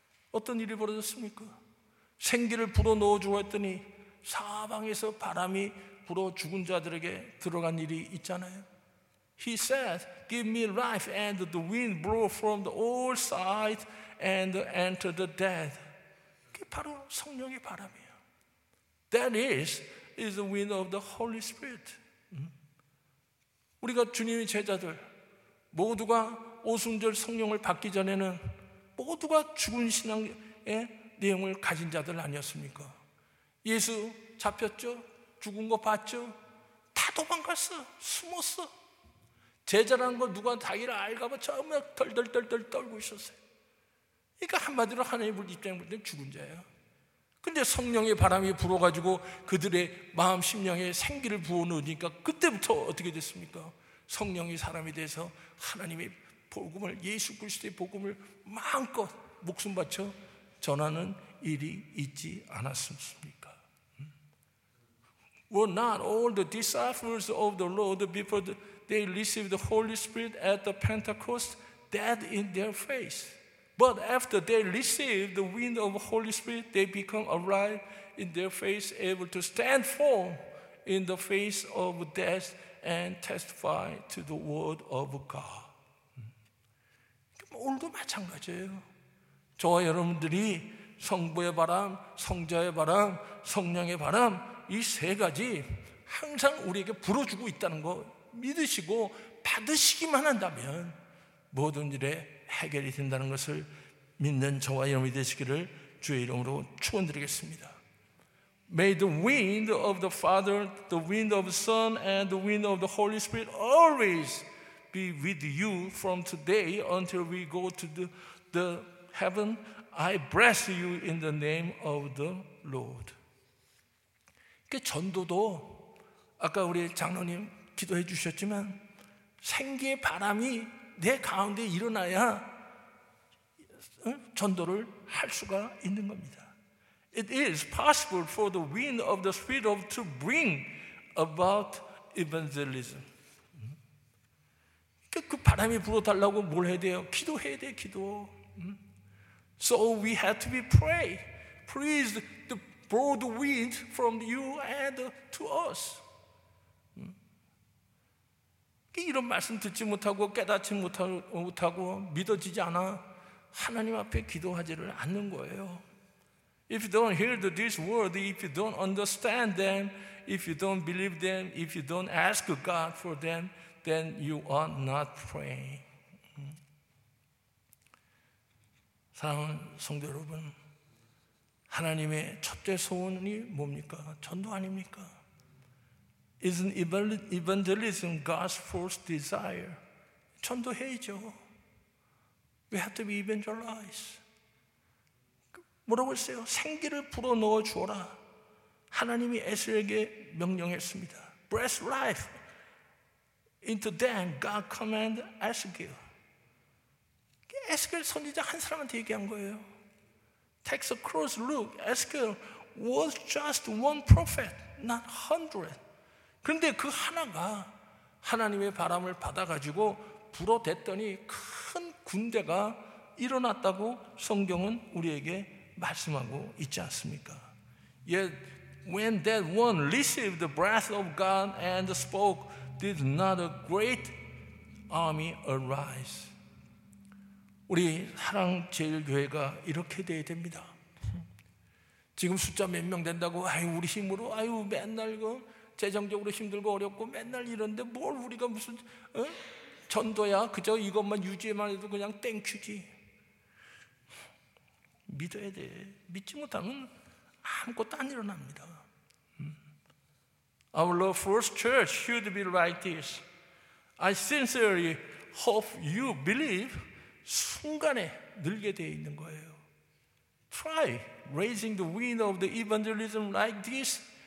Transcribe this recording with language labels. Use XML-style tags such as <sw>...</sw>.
<ko>어떤 일이 벌어졌습니까? 생기를 불어넣어 주었더니 사방에서 바람이 불어 죽은 자들에게 들어간 일이 있잖아요.</ko> <en>He said, give me life and the wind blow from the all sides and enter the dead.</en> <ko>그게 바로 성령의 바람이에요.</ko> <en>That is the wind of the Holy Spirit.</en> <ko>우리가 주님의 제자들 모두가 오순절 성령을 받기 전에는 모두가 죽은 신앙의 내용을 가진 자들 아니었습니까? 예수 잡혔죠? 죽은 거 봤죠? 다 도망갔어. 숨었어. 제자라는 거 누가 자기를 알까 봐 처음에 덜덜덜덜 떨고 있었어요. 그러니까 한마디로 하나님을 입장해볼 때 죽은 자예요. 근데 성령의 바람이 불어가지고 그들의 마음 심령에 생기를 부어넣으니까 그때부터 어떻게 됐습니까? 성령의 사람이 돼서 하나님의 복음을, 예수 그리스도의 복음을 마음껏 목숨 바쳐 전하는 일이 있지 않았습니까?</ko> <en>Were not all the disciples of the Lord before they received the Holy Spirit at the Pentecost dead in their faith? But after they received the wind of the Holy Spirit, they become alive in their faith, able to stand firm in the face of death and testify to the word of God.</en> <ko>오늘도 마찬가지예요. 저와 여러분들이 성부의 바람, 성자의 바람, 성령의 바람, 이 세 가지 항상 우리에게 불어주고 있다는 거 믿으시고 받으시기만 한다면 모든 일에 해결이 된다는 것을 믿는 저와 여러분이 되시기를 주의 이름으로 축원드리겠습니다.</ko> <en>May the wind of the Father, the wind of the Son, and the wind of the Holy Spirit always be with you from today until we go to the heaven. I bless you in the name of the Lord.</en> <ko>그러니까 전도도 아까 우리 장로님 기도해 주셨지만 생기의 바람이 내 가운데 일어나야 전도를 할 수가 있는 겁니다.</ko> <en>It is possible for the wind of the Spirit of to bring about evangelism.</en> <ko>그 바람이 불어달라고 뭘 해야 돼요? 기도해야 돼, 기도.</ko> <en>So we have to be pray. Please to blow the wind from you and to us.</en> <ko>이런 말씀 듣지 못하고 깨닫지 못하고 믿어지지 않아 하나님 앞에 기도하지를 않는 거예요.</ko> <en>If you don't hear this word, if you don't understand them, if you don't believe them, if you don't ask God for them, then you are not praying.</en> <ko>사랑하는 성도 여러분, 하나님의 첫째 소원이 뭡니까? 전도 아닙니까?</ko> <en>Isn't evangelism God's first desire?</en> <ko>전도해야죠.</ko> <en>We have to be evangelized.</en> <ko>뭐라고 했어요? 생기를 불어넣어 주어라. 하나님이 에스라에게 명령했습니다.</ko> <en>Breath life into them. God command Ezekiel.</en> <ko>에스겔 선지자 한 사람한테 얘기한 거예요.</ko> <en>Take a close look. Ezekiel was just one prophet, not hundred.</en> <ko>그런데 그 하나가 하나님의 바람을 받아가지고 불어댔더니 큰 군대가 일어났다고 성경은 우리에게 말씀하고 있지 않습니까?</ko> <en>Yet when that one received the breath of God and spoke, did not a great army arise?</en> <ko>우리 사랑제일교회가 이렇게 돼야 됩니다. 지금 숫자 몇 명 된다고 아유 우리 힘으로 아유 맨날 이거 재정적으로 힘들고 어렵고 맨날 이런데 뭘 우리가 무슨 어? 전도야 그저 이것만 유지만 해도 그냥 땡큐지. 믿어야 돼. 믿지 못하면 아무것도 안 일어납니다.</ko> <en>Our Lord's first church should be like this. I sincerely hope you believe.</en> <ko>순간에 늘게 되어 있는 거예요.</ko> <en>Try raising the wind of the evangelism like this.</en>